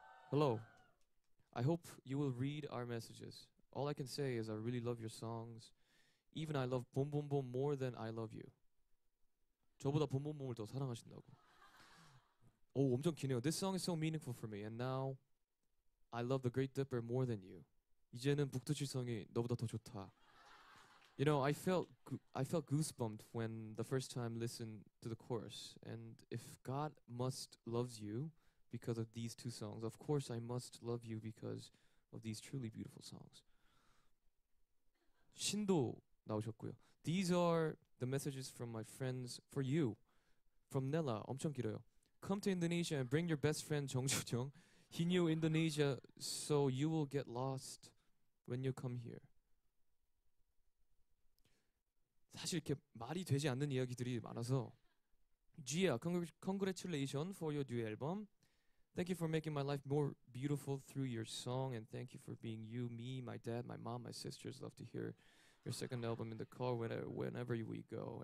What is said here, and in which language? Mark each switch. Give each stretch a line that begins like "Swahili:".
English: Hello. I hope you will read our messages. All I can say is I really love your songs. Even I love Boom Boom Boom more than I love you.
Korean: 저보다 Boom Boom Boom을 더 사랑하신다고. 오, 엄청 기네요.
English: This song is so meaningful for me. And now, I love the Great Dipper more than you.
Korean: 이제는 북두칠성이 너보다 더 좋다.
English: You know, I felt goosebumped when the first time listened to the chorus. And if God must loves you because of these two songs, of course I must love you because of these truly beautiful songs.
Korean: 신도 나오셨고요.
English: These are the messages from my friends for you. From Nella,
Korean: 엄청 길어요.
English: Come to Indonesia and bring your best friend 정주정. He knew Indonesia, so you will get lost when you come here.
Korean: 사실 이렇게 말이 되지 않는 이야기들이 많아서.
English: Gia, congratulations for your new album. Thank you for making my life more beautiful through your song, and thank you for being you, me, my dad, my mom, my sisters love to hear your second album in the car whenever we go.